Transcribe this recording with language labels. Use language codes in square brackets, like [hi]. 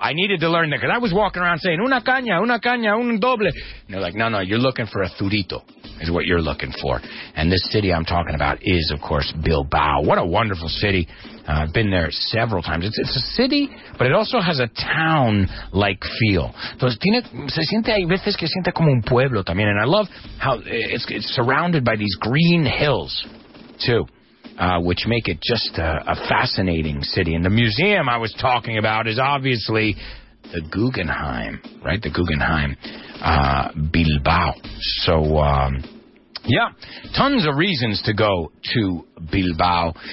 [en] I needed to learn that, because I was walking around saying, [es] una caña, un doble. [en] And they're like, no, you're looking for a zurrito, is what you're looking for. And this city I'm talking about is, of course, Bilbao. What a wonderful city. I've been there several times. It's a city, but it also has a town-like feel. [es] Entonces, se siente, hay veces que siente como un pueblo también. [en] And I love how it's surrounded by these green hills, too. Which make it just a fascinating city. And the museum I was talking about is obviously the Guggenheim, right? The Guggenheim Bilbao. So, yeah, tons of reasons to go to Bilbao.